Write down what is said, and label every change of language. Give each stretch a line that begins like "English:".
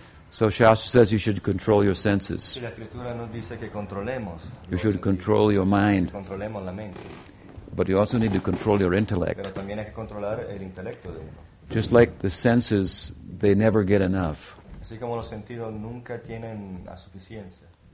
English: So Shastra says you should control your senses.
Spanish: Y la escritura nos dice que controlemos.
English: You should control your mind.
Spanish: Controlemos la mente.
English: But you also need to control your intellect.
Spanish: Pero también hay que controlar el intelecto de uno.
English: Just like the senses, they never get enough.
Spanish: Así como los sentidos nunca tienen la suficiencia.